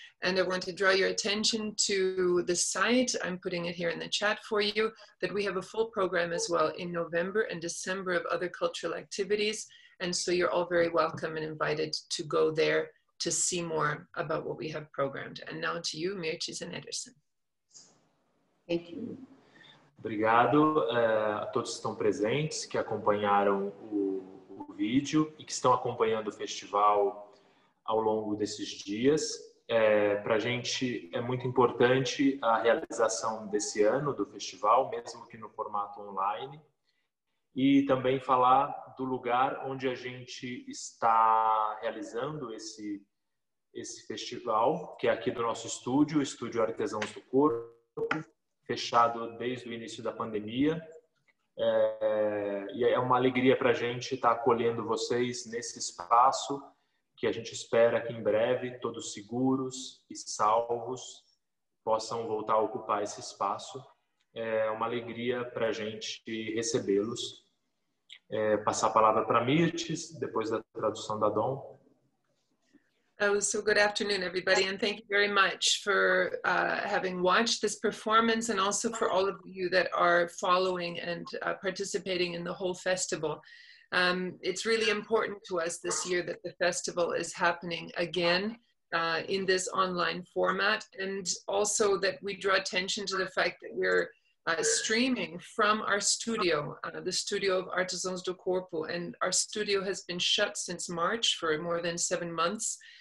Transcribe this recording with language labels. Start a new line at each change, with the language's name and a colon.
English: And I want to draw your attention to the site, I'm putting it here in the chat for you, that we have a full program as well in November and December of other cultural activities. And so you're all very welcome and invited to go there to see more about what we have programmed. And now to you, Mirtes and Ederson. Thank you.
Portuguese: Obrigado a todos que estão presentes, que acompanharam o vídeo e que estão acompanhando o festival ao longo desses dias. Para a gente é muito importante a realização desse ano do festival, mesmo que no formato online, e também falar do lugar onde a gente está realizando esse festival, que é aqui do nosso estúdio, o Estúdio Artesãos do Corpo, fechado desde o início da pandemia. E é uma alegria para a gente estar acolhendo vocês nesse espaço, que a gente espera que em breve todos seguros e salvos possam voltar a ocupar esse espaço. É uma alegria para a gente recebê-los. Passar a palavra para Mirtes, depois da tradução da Dom.
English: Oh, so good afternoon, everybody, and thank you very much for having watched this performance and also for all of you that are following and participating in the whole festival. It's really important to us this year that the festival is happening again in this online format, and also that we draw attention to the fact that we're streaming from our studio, the studio of Artisans do Corpo, and our studio has been shut since March for more than 7 months.